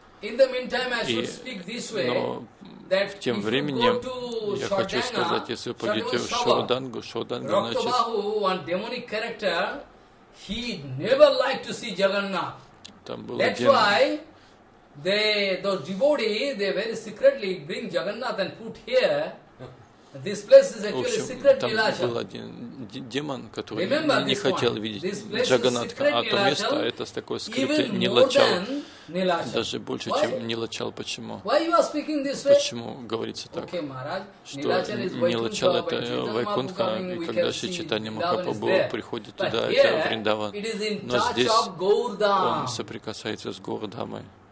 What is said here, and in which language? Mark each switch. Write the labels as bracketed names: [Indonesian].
[English] In the meantime, I should speak this way. That if you go to Shordanga, [Russian] хочу сказать, если вы пойдете в Шордангу, Шорданга, значит. [English] Roktobahu, one demonic character, he never liked to see Jagannath. That's why those devotees, they very secretly bring Jagannath and put here. This place is actually secret Nilasha. [Russian] Там был один демон, который не хотел видеть Джаганатха, а то место это такое скрытое Нилачал, даже больше, чем Нилачал. Почему? Почему говорится так, что Нилачал это Вайкунха, и когда Шри Чайтанья Махапрабху приходит туда, это Вриндаван, но здесь он соприкасается с Гаур-дхамой.